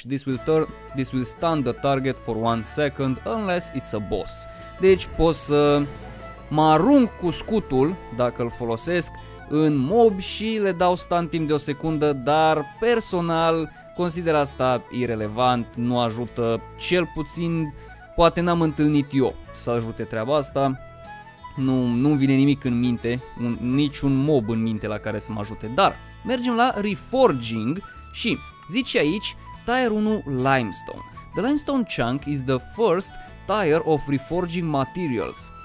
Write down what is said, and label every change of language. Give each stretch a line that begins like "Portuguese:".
English: This will stun the target for 1 second unless it's a boss.
Romanian: Deci pot să mă arunc cu scutul, dacă îl folosesc, în mob și le dau stun timp de o secundă, dar personal consider asta irelevant, nu ajută, cel puțin poate n-am întâlnit eu să ajute treaba asta. Nu-mi vine nimic în minte, niciun mob în minte la care să mă ajute. Dar mergem la reforging și zice aici tier 1 limestone.
English: The limestone chunk is the first tier of reforging materials.